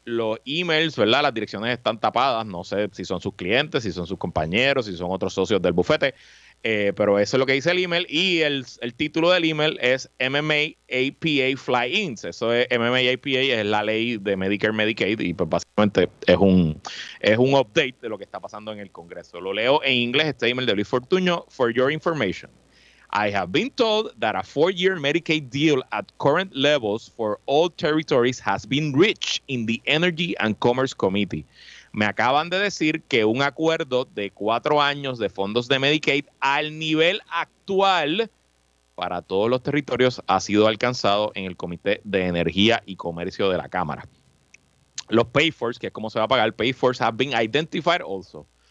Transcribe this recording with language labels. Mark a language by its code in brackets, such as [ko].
[es] Los emails, ¿verdad?, las direcciones están tapadas. No sé si son sus clientes, si son sus compañeros, si son otros socios del bufete, pero eso es lo que dice el email. Y el título del email es MMA APA Fly-ins. Eso es MMA APA, es la ley de Medicare Medicaid, y pues básicamente es un update de lo que está pasando en el Congreso. Lo leo en inglés, este email de Luis Fortuño: [en] for your information, I have been told that a 4-year Medicaid deal at current levels for all territories has been reached in the Energy and Commerce Committee. [es] Me acaban de decir que un acuerdo de 4 años de fondos de Medicaid al nivel actual para todos los territorios ha sido alcanzado en el Comité de Energía y Comercio de la Cámara. Los pay-fors, que es como se va a pagar, [en] pay-fors have been identified also.